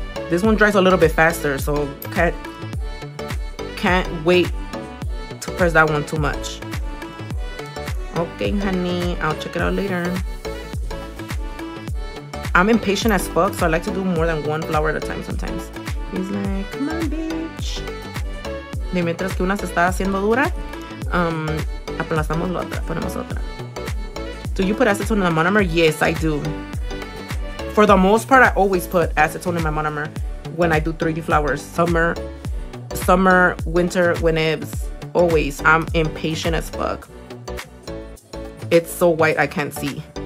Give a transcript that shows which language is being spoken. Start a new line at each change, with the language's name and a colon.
English: This one dries a little bit faster, so can't wait to press that one too much. Okay, honey, I'll check it out later. I'm impatient as fuck, so I like to do more than one flower at a time sometimes. He's like, come on, baby.
Spanish: De mientras que una se está haciendo dura, aplastamos la otra, ponemos otra.
English: Do you put acetone in the monomer? Yes, I do. For the most part, I always put acetone in my monomer when I do 3D flowers. Summer, winter, whenever. always, I'm impatient as fuck. It's so white, I can't see.